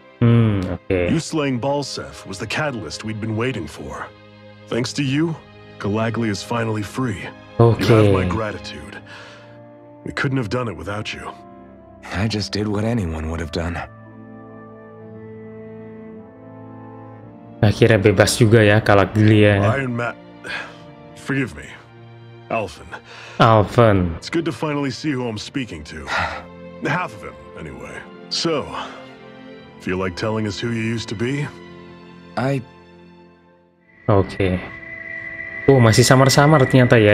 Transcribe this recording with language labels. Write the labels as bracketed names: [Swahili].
[English] Okay. You slaying Balsef was the catalyst we'd been waiting for. Thanks to you, Galaglia is finally free. Okay. You have my gratitude. We couldn't have done it without you. I just did what anyone would have done. [Indonesian] Akhirnya bebas juga ya, Galaglia. [English] Iron Man, forgive me. Alphen. Alphen. It's good to finally see who I'm speaking to. Half of him, anyway. So, feel like telling us who you used to be? I... [Indonesian] Oke. Okay. Oh, masih samar-samar ternyata ya.